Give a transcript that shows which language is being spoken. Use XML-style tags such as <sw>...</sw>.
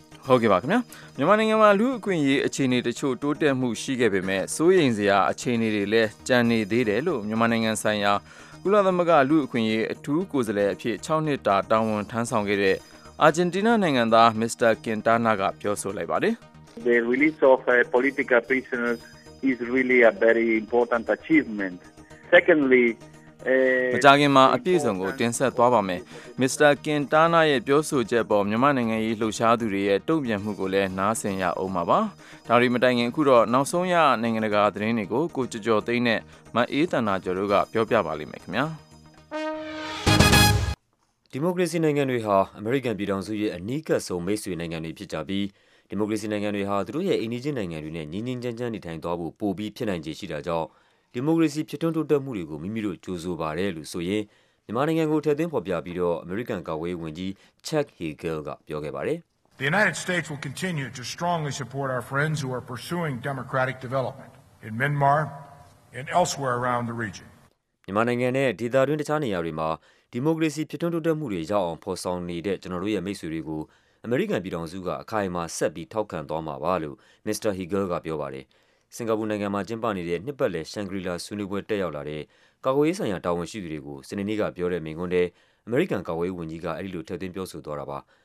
<my>။ဟုတ်ကဲ့ပါခင်ဗျာ။မြန်မာနိုင်ငံမှာလူအခွင့်အရေးအခြေအနေတချို့တိုးတက်မှုရှိခဲ့ပေမဲ့စိုးရိမ်စရာအခြေအနေတွေလည်းကြံနေသေးတယ်လို့မြန်မာနိုင်ငံဆိုင်ရာကုလသမဂ္ဂလူ့အခွင့်အရေးအထူးကိုယ်စားလှယ်အဖြစ်6နှစ်တာတာဝန်ထမ်းဆောင်ခဲ့တဲ့အာဂျင်တီးနားနိုင်ငံသားမစ္စတာကင်တာနာကပြောဆိုလိုက်ပါတယ်</my> <en>The release of a political prisoners is really a very important achievement. Secondly,</en> <my>အကြခင်မှာအပြည့်စုံကိုတင်ဆက်သွားပါမယ်။မစ္စတာကင်တာနာရဲ့ပြောဆိုချက်ပေါ်မြန်မာနိုင်ငံရေးလှုပ်ရှားသူတွေရဲ့တုံ့ပြန်မှုကိုလည်းနားဆင်ရအောင်ပါ။ဒါရီမတိုင်ခင်အခုတော့နောက်ဆုံးရနိုင်ငံတကာသတင်းတွေကိုကိုကျော်ကျော်သိန်းနဲ့မအေးတန်နာကျော်တို့ကပြောပြပါလိမ့်မယ်ခင်ဗျာ ။ဒီမိုကရေစီနိုင်ငံတွေဟာအမေရိကန်ပြည်ထောင်စုရဲ့အနီးကပ်ဆုံးမိတ်ဆွေနိုင်ငံတွေဖြစ်ကြပြီးဒီမိုကရေစီနိုင်ငံတွေဟာသူတို့ရဲ့အင်ဂျင်နိုင်ငံတွေနဲ့ညီညီချင်းချင်းနေထိုင်သွားဖို့ပိုပြီးဖြစ်နိုင်ခြေရှိတာကြောင့်ဒီမိုကရေစီဖြစ်ထွန်းထိုးတက်မှုတွေကိုမိမိတို့ကြိုးဆိုပါတယ်လို့ဆိုရင်မြန်မာနိုင်ငံကိုထည့်သွင်းဖော်ပြပြီးတော့အမေရိကန်ကာကွယ်ဝင်ကြီးချက်ဟီဂယ်ကပြောခဲ့ပါတယ်</my> <en>The United States will continue to strongly support our friends who are pursuing democratic development in Myanmar and elsewhere around the region</en> <my>မြန်မာနိုင်ငံနဲ့ဒေသတွင်းတခြားနေရာတွေမှာဒီမိုကရေစီဖြစ်ထွန်းထိုးတက်မှုတွေရောက်အောင်ဖော်ဆောင်နေတဲ့ကျွန်တော်တို့ရဲ့မိတ်ဆွေတွေကိုအမေရိကန်ပြည်ထောင်စုကအခိုင်အမာဆက်ပြီးထောက်ခံသွားမှာပါလို့မစ္စတာဟီဂယ်ကပြောပါတယ်စင်ကာပူနိုင်ငံမှာကျင်းပနေတဲ့နှစ်ပတ်လည်ရှန်ဂရီလာဆွေးနွေးပွဲတက်ရောက်လာတဲ့ကာကွယ်ရေးဆိုင်ရာတာဝန်ရှိသူတွေကိုစနေနေ့ကပြောတဲ့မင်ကွန်းတဲ့အမေရိကန်ကာကွယ်ရေးဝန်ကြီးကအဲ့ဒီလိုထည့်သွင်းပြောဆိုသွားတာပါ</my>